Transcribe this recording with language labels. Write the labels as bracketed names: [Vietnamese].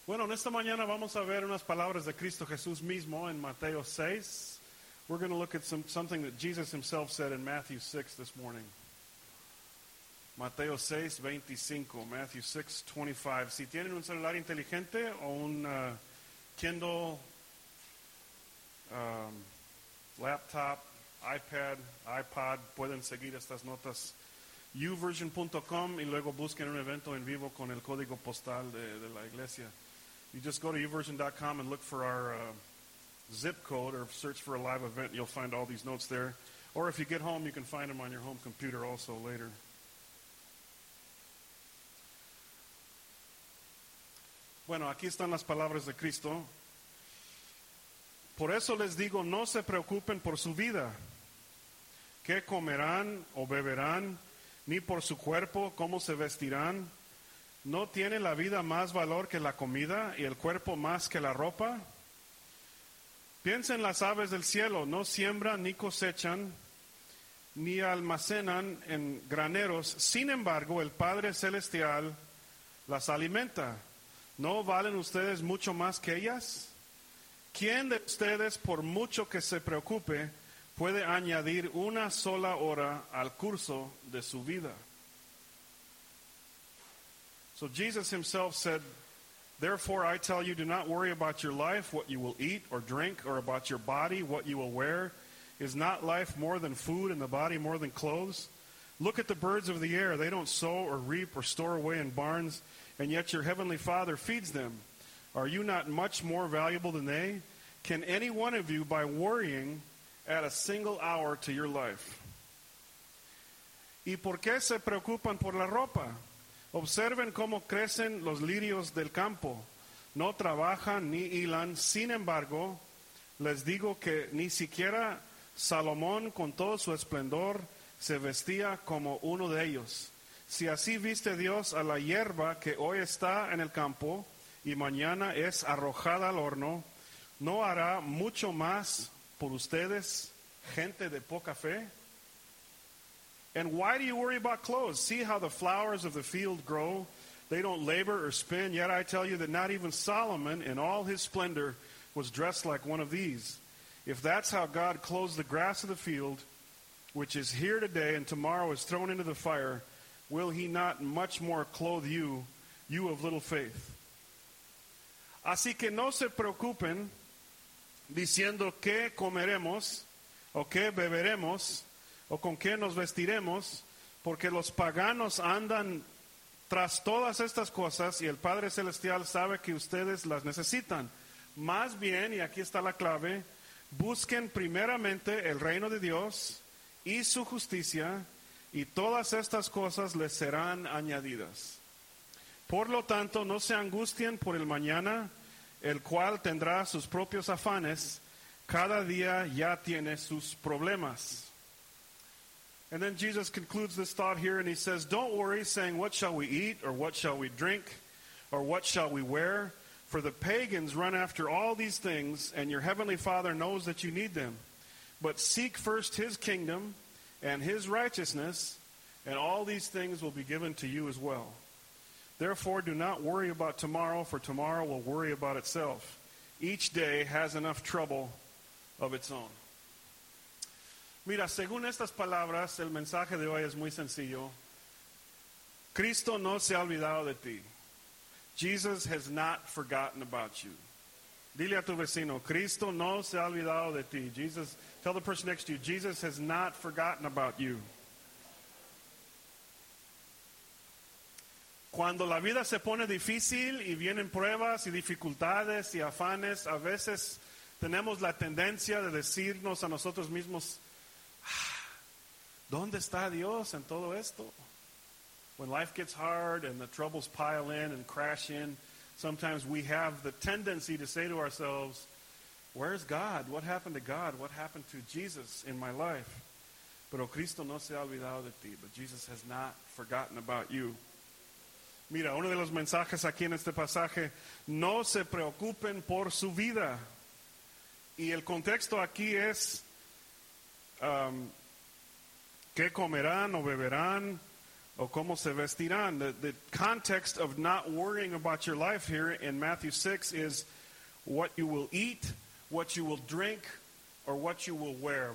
[Spanish] Bueno, en esta mañana vamos a ver unas palabras de Cristo Jesús mismo en Mateo 6. [English] We're going to look at something that Jesus himself said in Matthew 6 this morning. [Spanish] Mateo 6, 25. [English] Matthew 6, 25. [Spanish] Si tienen un celular inteligente o un Kindle, laptop, iPad, iPod, pueden seguir estas notas. YouVersion.com y luego busquen un evento en vivo con el código postal de la iglesia. [English] You just go to YouVersion.com and look for our zip code or search for a live event. You'll find all these notes there. Or if you get home, you can find them on your home computer also later. [Spanish] Bueno, aquí están las palabras de Cristo. Por eso les digo, no se preocupen por su vida. ¿Qué comerán o beberán? Ni por su cuerpo, ¿cómo se vestirán? ¿No tiene la vida más valor que la comida y el cuerpo más que la ropa? Piensen las aves del cielo, no siembran ni cosechan, ni almacenan en graneros. Sin embargo, el Padre Celestial las alimenta. ¿No valen ustedes mucho más que ellas? ¿Quién de ustedes, por mucho que se preocupe, puede añadir una sola hora al curso de su vida? [English] So Jesus himself said, therefore I tell you, do not worry about your life, what you will eat or drink, or about your body, what you will wear. Is not life more than food and the body more than clothes? Look at the birds of the air. They don't sow or reap or store away in barns, and yet your heavenly Father feeds them. Are you not much more valuable than they? Can any one of you, by worrying, add a single hour to your life? [Spanish] ¿Y por qué se preocupan por la ropa? Observen cómo crecen los lirios del campo. No trabajan ni hilan. Sin embargo, les digo que ni siquiera Salomón con todo su esplendor se vestía como uno de ellos. Si así viste Dios a la hierba que hoy está en el campo y mañana es arrojada al horno, ¿no hará mucho más por ustedes, gente de poca fe? [English] And why do you worry about clothes? See how the flowers of the field grow. They don't labor or spin, yet I tell you that not even Solomon in all his splendor was dressed like one of these. If that's how God clothes the grass of the field, which is here today and tomorrow is thrown into the fire, will he not much more clothe you, you of little faith? [Spanish] Así que no se preocupen diciendo qué comeremos, o qué beberemos, o con qué nos vestiremos, porque los paganos andan tras todas estas cosas, y el Padre Celestial sabe que ustedes las necesitan. Más bien, y aquí está la clave, busquen primeramente el reino de Dios y su justicia, y todas estas cosas les serán añadidas. Por lo tanto, no se angustien por el mañana, el cual tendrá sus propios afanes. Cada día ya tiene sus problemas. [English] And then Jesus concludes this thought here and he says, don't worry saying, what shall we eat or what shall we drink or what shall we wear? For the pagans run after all these things and your heavenly Father knows that you need them. But seek first his kingdom and his righteousness and all these things will be given to you as well. Therefore, do not worry about tomorrow, for tomorrow will worry about itself. Each day has enough trouble of its own. [Spanish] Mira, según estas palabras, el mensaje de hoy es muy sencillo. Cristo no se ha olvidado de ti. [English] Jesus has not forgotten about you. [Spanish] Dile a tu vecino, Cristo no se ha olvidado de ti. [English] Jesus, tell the person next to you, Jesus has not forgotten about you. [Spanish] Cuando la vida se pone difícil y vienen pruebas y dificultades y afanes, a veces tenemos la tendencia de decirnos a nosotros mismos, ¿dónde está Dios en todo esto? [English] When life gets hard and the troubles pile in and crash in, sometimes we have the tendency to say to ourselves, where's God? What happened to God? What happened to Jesus in my life? [Spanish] Pero Cristo no se ha olvidado de ti. [English] But Jesus has not forgotten about you. [Spanish] Mira, uno de los mensajes aquí en este pasaje, no se preocupen por su vida. Y el contexto aquí es, ¿qué comerán o beberán? o cómo se vestirán. [English] The context of not worrying about your life here in Matthew 6 is what you will eat, what you will drink, or what you will wear.